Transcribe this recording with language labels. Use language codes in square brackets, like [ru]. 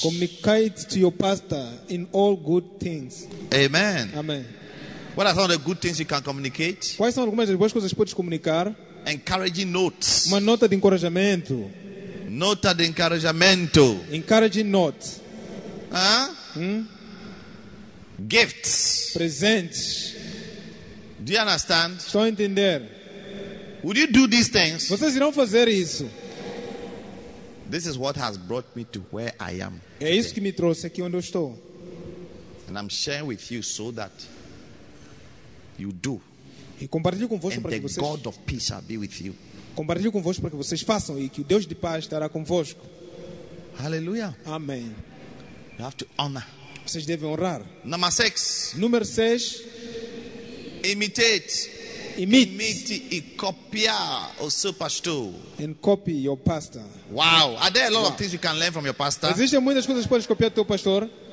[en] Communicate to your pastor in all good things. Amen. Amen. What are some of the good things you can communicate? [pt] Quais são algumas das boas coisas que podes comunicar? [en] Encouraging notes. [pt] Uma nota de encorajamento. Nota de encorajamento. [en] Encouraging notes. Gifts. [pt] Presentes. [en] Do you understand? [pt] Estou a entender. [en] Would you do these things? [pt] Vocês irão fazer isso. [en] This is what has brought me to where I am. [pt] É isso que me trouxe aqui onde eu estou. [en] And I'm sharing with you so that you do. [pt] E compartilho convosco para que vocês. [en] And the God of peace shall be with you. [pt] Compartilho convosco para que vocês façam e que o Deus de paz estará convosco. [en] Hallelujah. [pt] Amém. [en] You have to honor. [pt] Vocês devem honrar. [en] Number 6. [pt] Número 6. [en] Imitate. [pt] Imite e copia o seu pastor. [en] And copy your pastor. Wow, are there a lot of things you can learn from your pastor? [pt] Existem muitas coisas que podes copiar do teu pastor?